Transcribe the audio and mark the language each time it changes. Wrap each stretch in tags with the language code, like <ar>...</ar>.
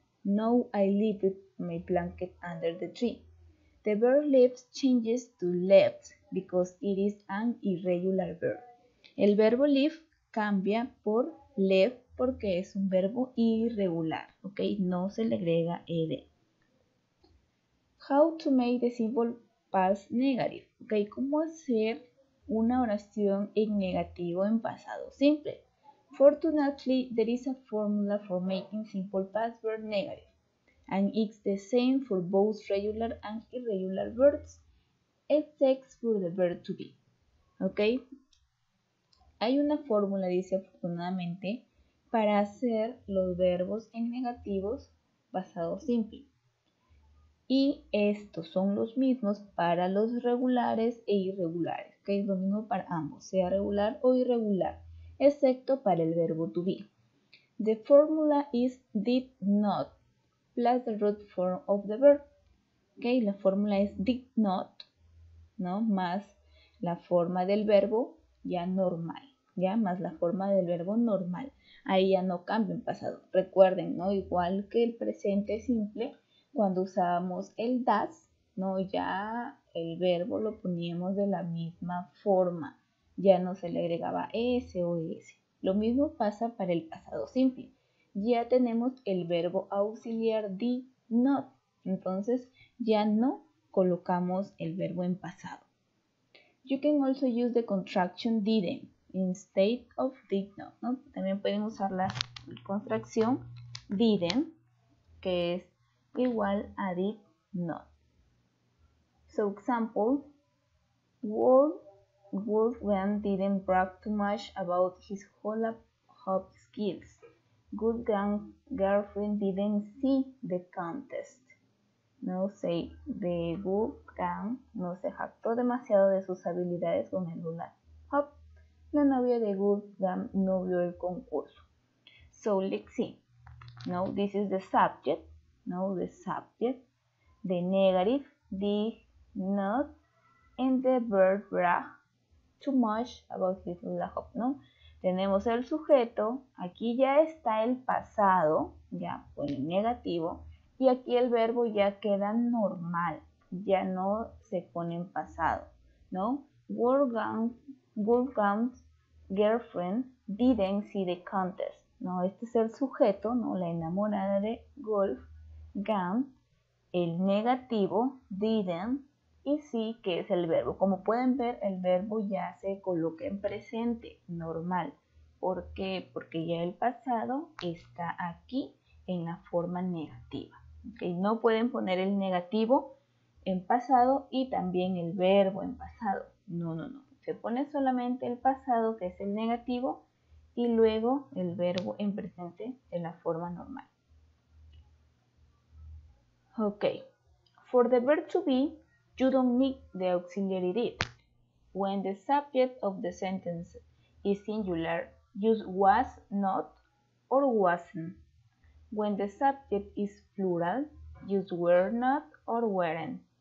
<en>No, I left my blanket under the tree. The verb left changes to left because it is an irregular verb.</en> <es>El verbo leave cambia por left porque es un verbo irregular, ¿ok? No se le agrega ed.</es> <en>How to make the simple past negative, ¿ok?</en> <es>¿Cómo hacer una oración en negativo en pasado simple?</es> <en>Fortunately, there is a formula for making simple past verb negative, and it's the same for both regular and irregular verbs, except for the verb to be. ¿Ok?</en> <es>Hay una fórmula, dice afortunadamente, para hacer los verbos en negativos pasado simple. Y estos son los mismos para los regulares e irregulares. ¿Ok? Lo mismo para ambos, sea regular o irregular. Excepto para el verbo to be.</es> <en>The formula is did not plus the root form of the verb.</en> <es>Okay, la fórmula es did not, ¿no? Más la forma del verbo ya normal, ¿ya? Más la forma del verbo normal. Ahí ya no cambia en pasado. Recuerden, ¿no? Igual que el presente simple, cuando usábamos el does, ¿no? Ya el verbo lo poníamos de la misma forma. Ya no se le agregaba S o S. Lo mismo pasa para el pasado simple. Ya tenemos el verbo auxiliar did not. Entonces ya no colocamos el verbo en pasado.</es> <en>You can also use the contraction didn't instead of did not, ¿no?</en> <es>También pueden usar la contracción didn't, que es igual a did not.</es> <en>So example, Wolfgang didn't brag too much about his hula-hoop skills. Wolfgang's girlfriend didn't see the contest.</en> <es>No sé, de Wolfgang no se jactó demasiado de sus habilidades con el hula-hoop. La novia de Wolfgang no vio el concurso.</es> <en>So, let's see. No, this is the subject. No, the subject. The negative, did not, and the verb brag. Too much about his hula hoop, ¿no?</en> <es>Tenemos el sujeto, aquí ya está el pasado, ya con el negativo, y aquí el verbo ya queda normal, ya no se pone en pasado, ¿no? Wolfgang's girlfriend didn't see the contest, ¿no? Este es el sujeto, ¿no? La enamorada de Wolfgang, el negativo, didn't. Y sí, que es el verbo. Como pueden ver, el verbo ya se coloca en presente, normal. ¿Por qué? Porque ya el pasado está aquí en la forma negativa. ¿Okay? No pueden poner el negativo en pasado y también el verbo en pasado. No, no, no. Se pone solamente el pasado, que es el negativo, y luego el verbo en presente en la forma normal. Ok.</es> <en>For the verb to be, you don't need the auxiliary did. When the subject of the sentence is singular, use was not or wasn't. When the subject is plural, use were not or weren't.</en>